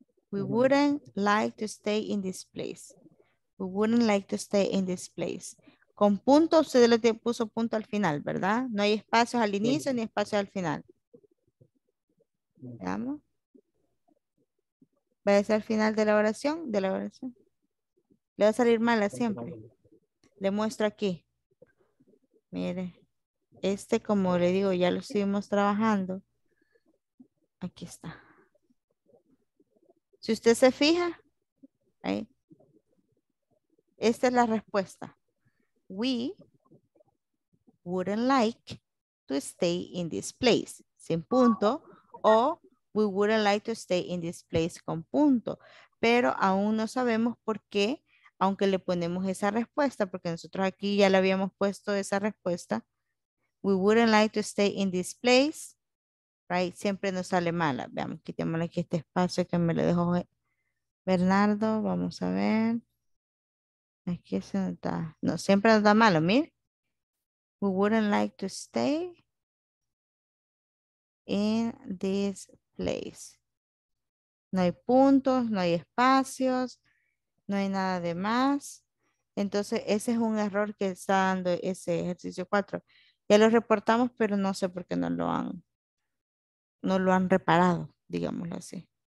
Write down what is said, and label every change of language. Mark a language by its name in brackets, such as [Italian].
[English] We wouldn't like to stay in this place. We wouldn't like to stay in this place. [Spanish] Con punto, usted lo puso punto al final, ¿verdad? No hay espacios al inicio ni espacios al final. ¿Vamos? ¿Va a ser al final de la oración? ¿De la oración? Le va a salir mala siempre. Le muestro aquí. Mire. Este, como le digo, ya lo estuvimos trabajando. Aquí está. Si usted se fija, ahí. Esta es la respuesta. [English] We wouldn't like to stay in this place, [Spanish] sin punto, o we wouldn't like to stay in this place con punto. Pero aún no sabemos por qué, aunque le ponemos esa respuesta, porque nosotros aquí ya le habíamos puesto esa respuesta. [English] We wouldn't like to stay in this place, right? [Spanish] Siempre nos sale mala. Veamos, quitémosle aquí este espacio que me lo dejó Bernardo. Vamos a ver. Aquí se nota. No, siempre nos da malo, mire. [English] We wouldn't like to stay in this place. [Spanish] No hay puntos, no hay espacios, no hay nada de más. Entonces, ese es un error que está dando ese ejercicio 4. Ya lo reportamos, pero no sé por qué no lo han reparado, digámoslo así.